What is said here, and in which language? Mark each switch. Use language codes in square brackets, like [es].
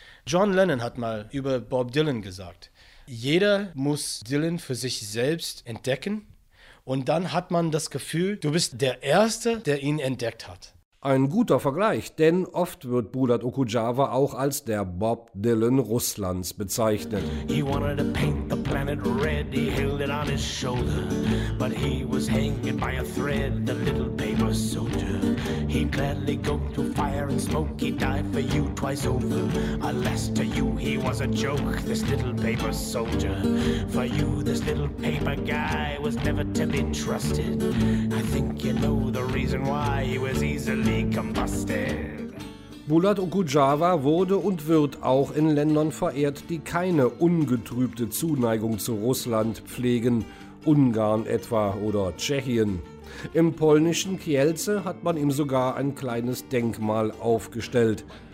[de] John Lennon hat mal über Bob Dylan gesagt: Jeder muss Dylan für sich selbst entdecken und dann hat man das Gefühl, du bist der Erste, der ihn entdeckt hat. Ein guter Vergleich, denn oft wird Bulat Okudjava auch als der Bob Dylan Russlands bezeichnet. [en] He wanted to paint the planet red, he held it on his shoulder, but he was hanging by a thread, the little paper soldier. He'd gladly go to fire and smoke, he'd die for you twice over. Alas, to you he was a joke, this little paper soldier. For you, this little paper guy was never to be trusted. I think you know the reason why, he was easily combusted. [de] Bulat Okudjava wurde und wird auch in Ländern verehrt, die keine ungetrübte Zuneigung zu Russland pflegen. Ungarn etwa oder Tschechien. Im polnischen Kielce hat man ihm sogar ein kleines Denkmal aufgestellt.